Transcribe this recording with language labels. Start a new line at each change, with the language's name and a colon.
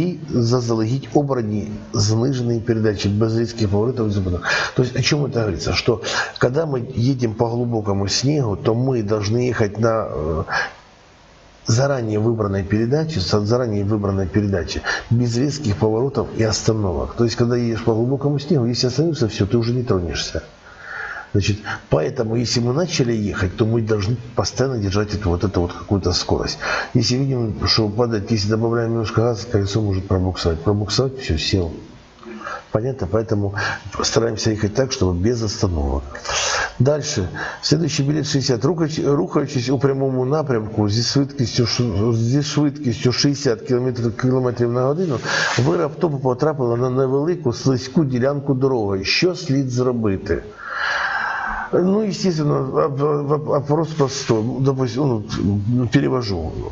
Ukrainian: Заздалегідь обрані
Russian: зниженные передачи без резких поворотов. То есть о чем это говорится? Что когда мы едем по глубокому снегу, то мы должны ехать на заранее выбранной передаче без резких поворотов и остановок. То есть когда едешь по глубокому снегу, если остановишься, все, ты уже не тронешься. Значит, поэтому, если мы начали ехать, то мы должны постоянно держать эту какую-то скорость. Если видим, что падает, если добавляем немножко газа, колесо может пробуксовать. Пробуксовать, все, сел. Понятно? Поэтому стараемся ехать так, чтобы без остановок. Дальше. Следующий билет 60.
Ukrainian: Рухаючись у прямому напрямку зі швидкістю 60 км на годину, ви раптом потрапили на невелику слизьку ділянку дороги. Що слід зробити?
Russian: Ну, естественно, вопрос простой. Допустим, перевожу.